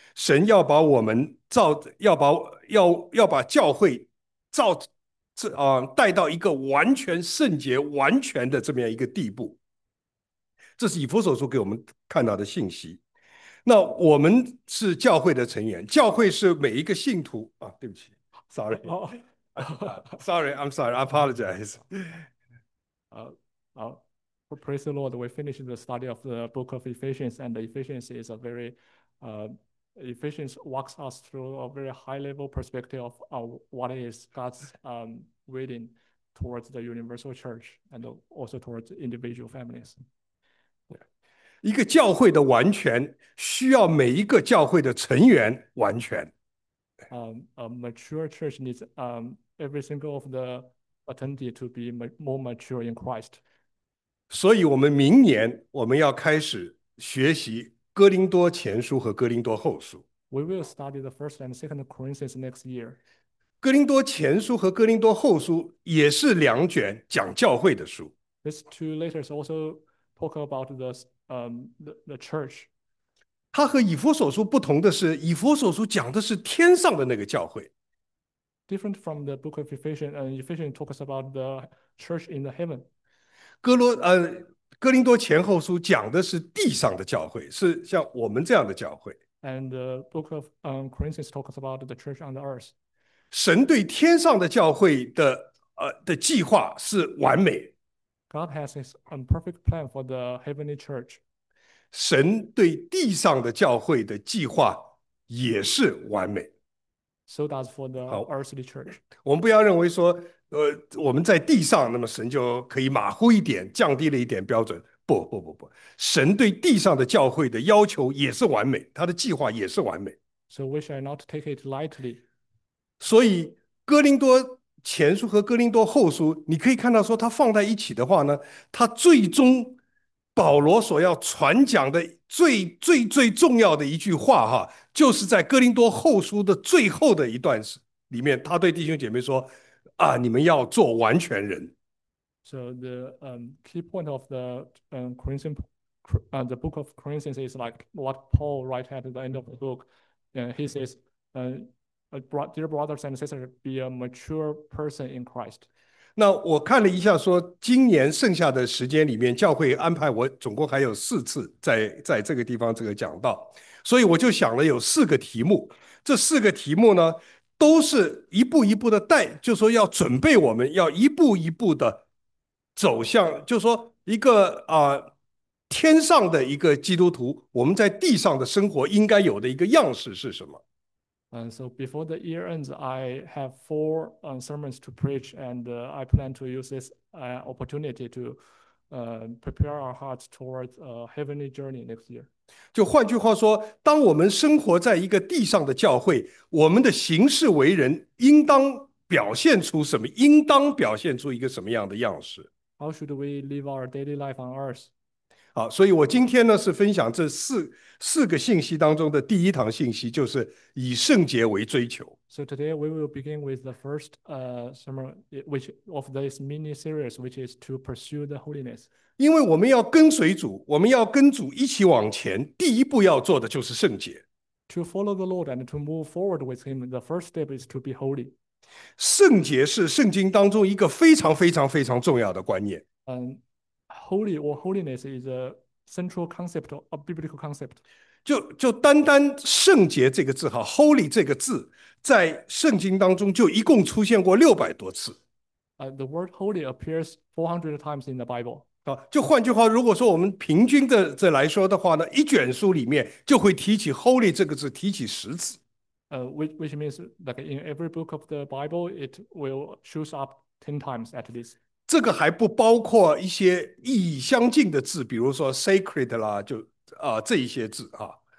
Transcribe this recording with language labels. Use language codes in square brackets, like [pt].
[zh] 神要把我们造，要把教会造这带到一个完全圣洁、完全的这么样一个地步。这是以弗所书给我们看到的信息。那我们是教会的成员，教会是每一个信徒啊。对不起， [en] sorry，sorry，I'm sorry，I apologize。 Praise the Lord. We finished the study of the book of Ephesians, and Ephesians is a very Ephesians walks us through a very high level perspective of what is God's reading towards the universal church and also towards individual families. [zh] 一个教会的完全需要每一个教会的成员完全。 [en] A mature church needs every single of the attendee to be more mature in Christ. [zh] 所以，我们明年我们要开始学习《哥林多前书》和《哥林多后书 [en] We will study the first and second Corinthians next year. [zh] 》。《哥林多前书》和《哥林多后书》也是两卷讲教会的书。 [en] These two letters also talk about the church. [zh] 它和以弗所书不同的是，以弗所书讲的是天上的那个教会。 [en] Different from the book of Ephesians, and Ephesians talks about the church in the heaven. [zh] 哥林多前后书讲的是地上的教会，是像我们这样的教会。 [en] And the book of Corinthians talks about the church on the earth. [zh] 神对天上的教会的计划是完美。 [en] God has his perfect plan for the heavenly church. [zh] 神对地上的教会的计划也是完美。 [en] So does for the 好， earthly church. [zh] 我们不要认为说，我们在地上，那么神就可以马虎一点，降低了一点标准。不不不不，神对地上的教会的要求也是完美，他的计划也是完美。 [en] So we shall not take it lightly. [zh] 所以，哥林多前书和哥林多后书，你可以看到说，它放在一起的话呢，它最终。保罗所要传讲的最重要的一句话，哈，就是在哥林多后书的最后的一段时里面，他对弟兄姐妹说：“啊，你们要做完全人。 [en] So the key point of the Corinthian the book of Corinthians is like what Paul write at the end of the book. He says, dear brothers and sisters, be a mature person in Christ. [zh] ”那我看了一下，说今年剩下的时间里面，教会安排我总共还有4次在这个地方这个讲到，所以我就想了有4个题目。这4个题目呢，都是一步一步的带，就说要准备我们要一步一步的走向，就说一个天上的一个基督徒，我们在地上的生活应该有的一个样式是什么？ [en] And so before the year ends, I have four sermons to preach, and I plan to use this opportunity to prepare our hearts towards a heavenly journey next year. [zh] 就换句话说，当我们生活在一个地上的教会，我们的行事为人应当表现出什么？应当表现出一个什么样的样式？ [en] How should we live our daily life on earth? [zh] 好，所以我今天呢是分享这四个信息当中的第一堂信息，就是以圣洁为追求。 [en] So today we will begin with the first sermon, which of this mini series, which is to pursue the holiness. [zh] 因为我们要跟随主，我们要跟主一起往前。第一步要做的就是圣洁。 [en] To follow the Lord and to move forward with Him, the first step is to be holy. [zh] 圣洁是圣经当中一个非常重要的观念。 [en] Holy or holiness is a central concept, a biblical concept. [zh] 就单单"圣洁"这个字哈，"holy" 这个字，在圣经当中就一共出现过600多次。 [en] The word holy appears 400 times in the Bible. [zh] 啊，就换句话，如果说我们平均的这来说的话呢，一卷书里面就会提起 "holy" 这个字，提起10次。 [en] Which means like in every book of the Bible, it will shows up 10 times at least. [zh] 这个还不包括一些意义相近的字，比如说 "sacred" 啦，这一些字啊。